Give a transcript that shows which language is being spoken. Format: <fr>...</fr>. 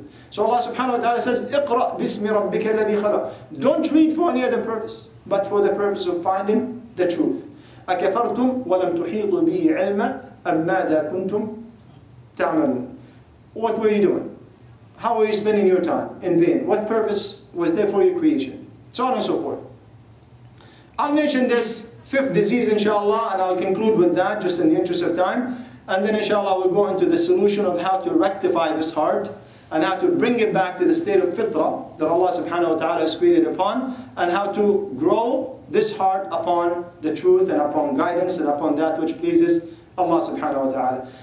<en>So Allah subhanahu wa ta'ala says,</en> <ar>اقرأ باسم ربك الذي خلق.</ar> <en>Don't read for any other purpose, but for the purpose of finding the truth.</en> <ar>أكفرتم ولم تحيطوا به علما أم ماذا كنتم تعملون.</ar> <en>What were you doing? How were you spending your time in vain? What purpose was there for your creation? So on and so forth. I'll mention this fifth disease inshallah, and I'll conclude with that just in the interest of time. And then inshallah we'll go into the solution of how to rectify this heart, and how to bring it back to the state of fitrah that Allah subhanahu wa ta'ala has created upon, and how to grow this heart upon the truth and upon guidance and upon that which pleases Allah subhanahu wa ta'ala.</en>